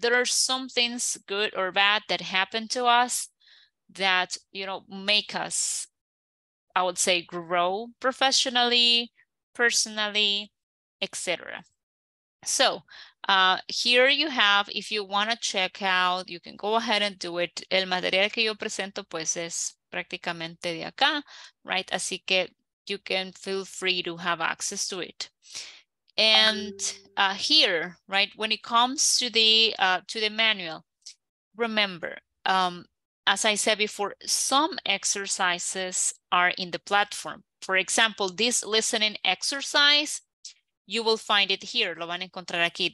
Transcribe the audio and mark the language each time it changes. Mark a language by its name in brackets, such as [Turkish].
[English] There are some things good or bad that happen to us that, you know, make us, I would say, grow professionally, personally, etc. So Here you have, if you want to check out, you can go ahead and do it. [Spanish] El material que yo presento, pues, es prácticamente de acá, right? Así que [English] you can feel free to have access to it. And here, right, when it comes to the manual, remember, as I said before, some exercises are in the platform. For example, this listening exercise, you will find it here. [Spanish] Lo van a encontrar aquí.